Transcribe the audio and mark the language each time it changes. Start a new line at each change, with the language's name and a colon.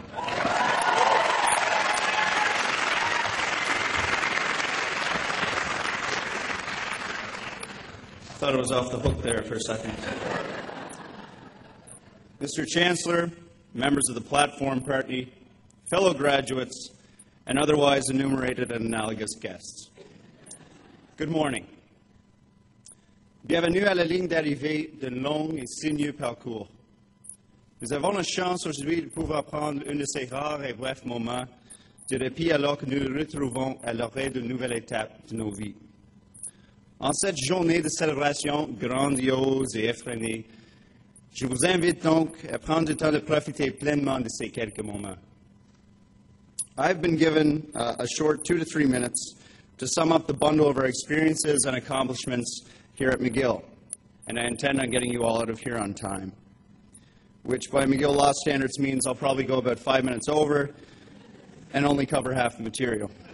English: I thought I was off the hook there for a second. Mr. Chancellor, members of the platform party, fellow graduates, and otherwise enumerated and analogous guests. Good morning.
French: Bienvenue à la ligne d'arrivée d'un long et sinueux parcours. Nous avons la chance aujourd'hui de pouvoir prendre un de ces rares et brefs moments de répit alors que nous nous retrouvons à l'orée d'une nouvelle étape de nos vies. En cette journée de célébration grandiose et effrénée, je vous invite donc à prendre le temps de profiter pleinement de ces quelques moments.
English: I've been given a short 2 to 3 minutes to sum up the bundle of our experiences and accomplishments here at McGill, and I intend on getting you all out of here on time, which by McGill law standards means I'll probably go about 5 minutes over and only cover half the material.